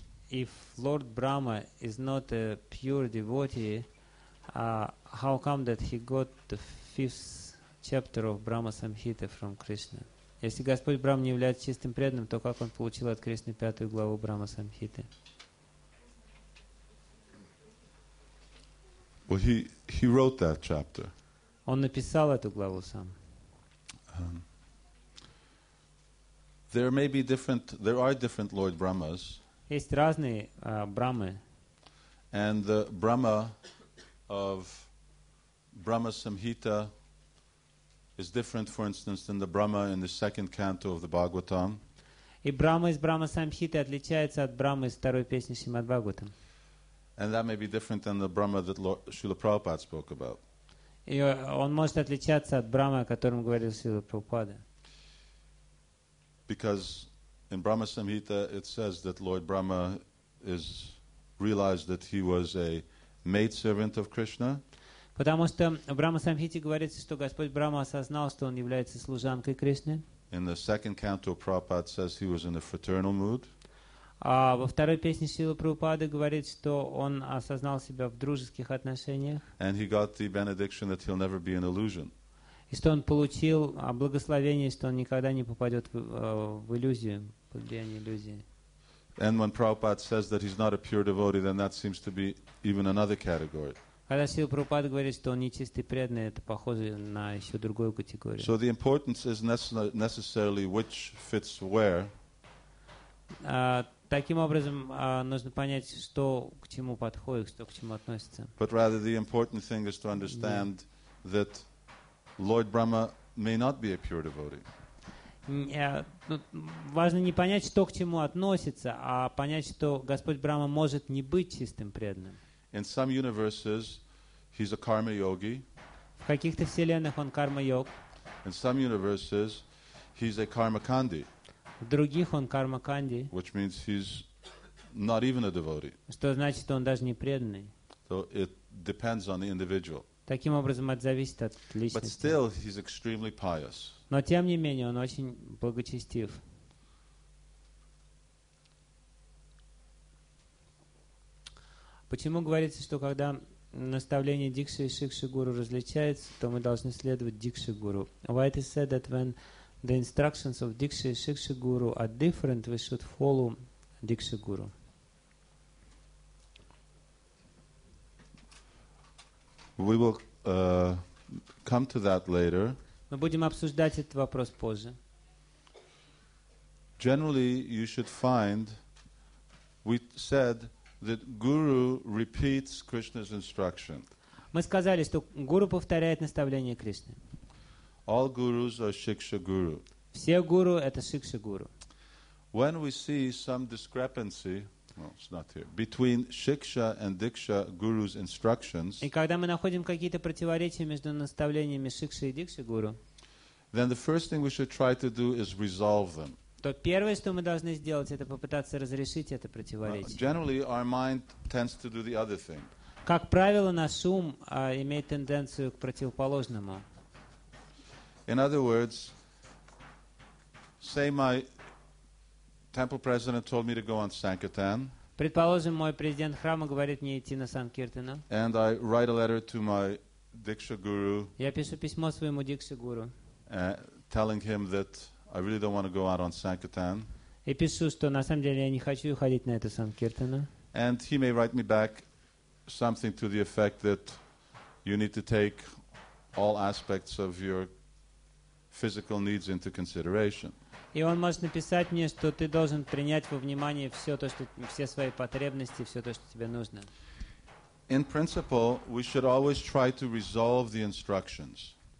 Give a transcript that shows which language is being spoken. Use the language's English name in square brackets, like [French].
[English] If Lord Brahma is not a pure devotee, how come that he got the fifth chapter of Brahma Samhita from Krishna? [Russian] Если Господь Брахма не является чистым преданным, то как он получил от Кришны пятую главу Брахма Самхиты? [English] Well, he wrote that chapter. [Russian] Он написал эту главу сам. [English] There are different Lord Brahmas. [Russian] Есть разные Брахмы. [English] And the Brahma of Brahma Samhita is different, for instance, than the Brahma in the second canto of the Bhagavatam. [Russian] И Брахма из Брахма Самхиты отличается от Брахмы из второй песни Шримад Бхагаватам. [English] And that may be different than the Brahma that Srila Prabhupada spoke about. [Russian] И он может отличаться от Брахмы, о котором говорил Шрила Прабхупада. [English] Because in Brahma Samhita it says that Lord Brahma is realized that he was a maid servant of Krishna. [Russian] Потому что в Брахма Самхите говорится, что Господь Брахма осознал, что он является служанкой Кришны. [English] In the second canto, Prabhupada says he was in a fraternal mood. [Russian] А во второй песне Шрилы Прабхупады говорит, что он осознал себя в дружеских отношениях. [English] And he got the benediction that he'll never be an illusion. [Russian] И что он получил благословение, что он никогда не попадет в иллюзию, под влияние иллюзии. [English] And when Prabhupada says that he's not a pure devotee, then that seems to be even another category. [Russian] Когда Сила Прабхупада говорит, что он нечистый преданный, это похоже на еще другую категорию. [English] So the importance is necessarily which fits where. [Russian] Таким образом, нужно понять, что к чему подходит, что к чему относится. [English] But rather the important thing is to understand that Lord Brahma may not be a pure devotee. [Russian] Важно не понять, что к чему относится, а понять, что Господь Брахма может не быть чистым преданным. [English] In some universes, he's a karma yogi. [Russian] В каких-то вселенных он карма-йог. [English] In some universes, he's a karma kandi. [Russian] В других он карма-канди. [English] Which means he's not even a devotee. [Russian] Что значит, что он даже не преданный. [English] So it depends on the individual. [Russian] Таким образом, это зависит от личности. [English] But still, he's extremely pious. [Russian] Но тем не менее, он очень благочестив. Почему говорится, что когда наставление Дикши и Шикши Гуру различается, то мы должны следовать Дикши Гуру? [English] Why it is said that when the instructions of [Russian] Дикши и Шикши Гуру [English] are different, we should follow Дикши Гуру? We will come to that later. [Russian] Мы будем обсуждать этот вопрос позже. [English] Generally, you should find, we said, that guru repeats Krishna's instruction. [Russian] Мы сказали, что гуру повторяет наставление Кришны. [English] All gurus are shiksha guru. [Russian] Все гуру — это шикша гуру. [English] When we see some discrepancy, well, it's not here, between shiksha and diksha guru's instructions, [Russian] и когда мы находим какие-то противоречия между наставлениями шикши и дикши гуру, [English] then the first thing we should try to do is resolve them. [Russian] То первое, что мы должны сделать, это попытаться разрешить это противоречие. [English] Generally, our mind tends to do the other thing. [Russian] Как правило, наш ум имеет тенденцию к противоположному. [English] In other words, say my temple president told me to go on sankirtan. [Russian] Предположим, мой президент храма говорит мне идти на санкиртана. [English] And I write a letter to my diksha guru. [Russian] Я пишу письмо своему дикши гуру. [English] Telling him that I really don't want to go out on sankirtan. [Russian] И пишу, что на самом деле я не хочу ходить на это санкиртана. [English] And he may write me back something to the effect that you need to take all aspects of your physical needs into consideration. [Russian] И он может написать мне, что ты должен принять во внимание все то, что все свои потребности, все то, что тебе нужно. [English] In principle, we should always try to resolve the instructions.